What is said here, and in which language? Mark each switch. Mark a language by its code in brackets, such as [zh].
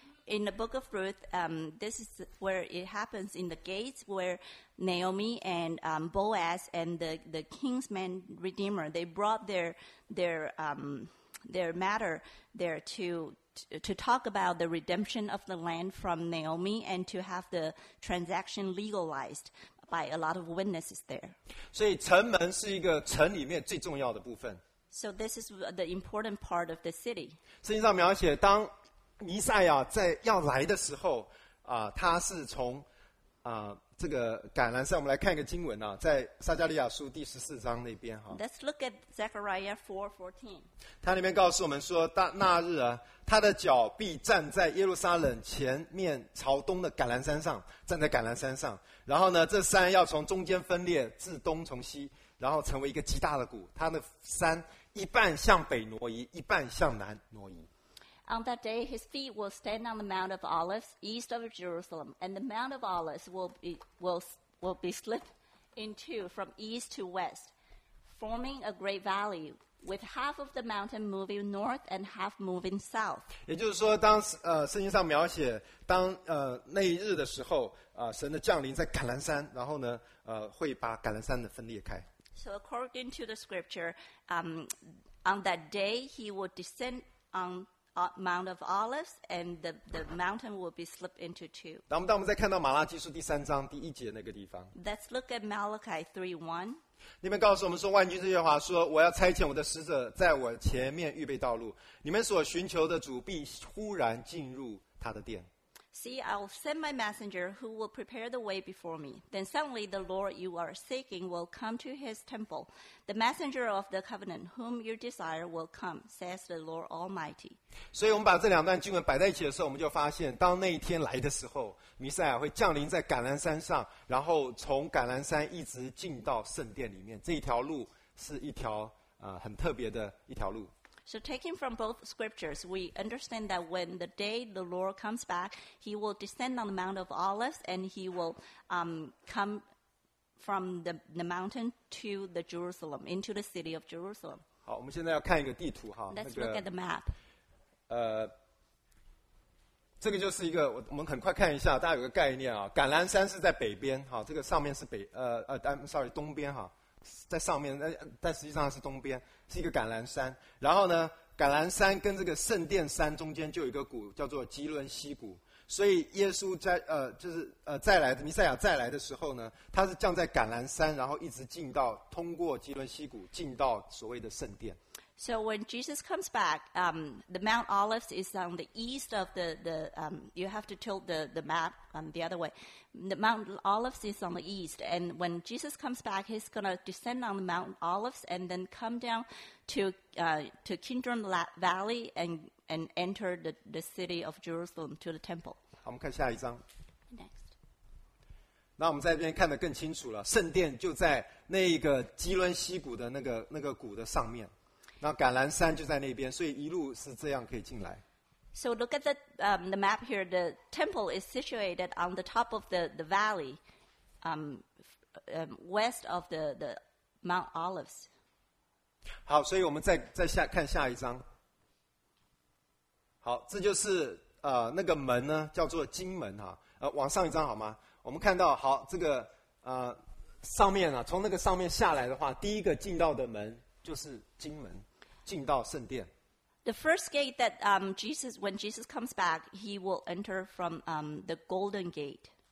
[en] In the book of Ruth, this is where it happens in the gates where Naomi and Boaz and the king's man redeemer, they brought their matter there to talk about the redemption of the land from Naomi and to have the transaction legalized by a lot of witnesses there. [zh] 所以城门是一个城里面最重要的部分。 [en] So this is the important part of the city. [zh] 圣经上描写，当弥赛亚在要来的时候，他是从这个橄榄上，我们来看一个经文啊，在撒迦利亚书第十四章那边哈。 [en] Let's look at Zechariah 4:14. [zh] 他里面告诉我们说，那日啊，他的脚必站在耶路撒冷前面朝东的橄榄山上，站在橄榄山上。然后呢，这山要从中间分裂，自东从西，然后成为一个极大的谷。他的山一半向北挪移，一半向南挪移。 [en] On that day, his feet will stand on the Mount of Olives, east of Jerusalem, and the Mount of Olives will be split in two from east to west, forming a great valley, with half of the mountain moving north and half moving south. [zh] 也就是说，当圣经上描写当那一日的时候，神的降临在橄榄山，然后呢，会把橄榄山的分裂开。 [en] So according to the scripture, on that day he will descend on Mount of Olives, and the mountain will be slipped into two. [zh] 那我们再看到马拉基书第三章第一节那个地方。 [en] Let's look at Malachi 3:1. [zh] 你们告诉我们说，万军之耶和华说，我要差遣我的使者在我前面预备道路，你们所寻求的主必忽然进入他的殿。 [en] See, I will send my messenger who will prepare the way before me. Then suddenly the Lord you are seeking will come to his temple. The messenger of the covenant whom you desire will come, says the Lord Almighty. [zh] 所以我们把这两段经文摆在一起的时候，我们就发现，当那一天来的时候，弥赛亚会降临在橄榄山上，然后从橄榄山一直进到圣殿里面。这一条路是一条很特别的一条路。 [en] So taking from both scriptures, we understand that when the day the Lord comes back, he will descend on the Mount of Olives and he will come from the mountain to the Jerusalem, into the city of Jerusalem. [zh] 好，我们现在要看一个地图哈。 [en] Let's look at the map. [zh] 这个就是一个，我们很快看一下，大家有个概念啊。橄榄山是在北边，好，这个上面是东边哈。在上面，但实际上是东边，是一个橄榄山。然后呢，橄榄山跟这个圣殿山中间就有一个谷，叫做基伦西谷。所以耶稣再来的弥赛亚再来的时候呢，他是降在橄榄山，然后一直进到通过基伦西谷进到所谓的圣殿。 [en] So when Jesus comes back, the Mount Olives is on the east of the you have to tilt the map the other way. The Mount Olives is on the east, and when Jesus comes back, he's going to descend on the Mount Olives and then come down to Kidron Valley and enter the city of Jerusalem to the temple. [zh] 好，我们看下一张。 [en] Next. [zh] 那我们在这边看得更清楚了，圣殿就在那个基伦西谷的那个谷的上面。那橄榄山就在那边，所以一路是这样可以进来。 [en] So look at the map here. The temple is situated on the top of the valley, west of the Mount Olives. [zh] 好，所以我们再下看下一张。好，这就是那个门呢，叫做金门哈。往上一张好吗？我们看到好这个上面啊，从那个上面下来的话，第一个进到的门就是金门。进到圣殿。 [en] The first gate that when Jesus comes back, he will enter from the Golden Gate.